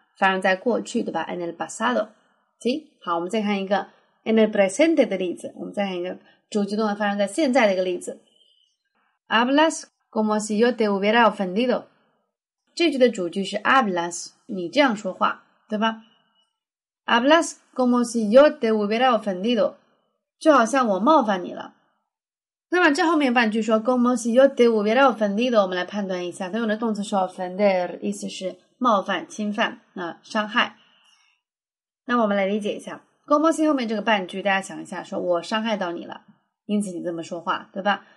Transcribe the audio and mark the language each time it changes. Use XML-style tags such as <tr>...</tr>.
<zh>发生在过去，对吧？</zh> <es>en el pasado，</es> <zh>行，好，我们再看一个</zh> <es>en el presente</es> <zh>的例子，我们再看一个主句动作发生在现在的一个例子。</zh> <es>Hablas como si yo te hubiera ofendido。</es> <zh>这句的主句是 hablas， 你这样说话，对吧？</zh> <es>Hablas como si yo te hubiera ofendido，</es> <zh>就好像我冒犯你了。那么这后面半句说</zh> <es>como si yo te hubiera ofendido，</es> <zh>我们来判断一下，它用的动词是 ofender， 意思是冒犯、侵犯、伤害。那我们来理解一下。 como si 后面这个半句，大家想一下，说我伤害到你了，因此你这么说话，对吧？</zh>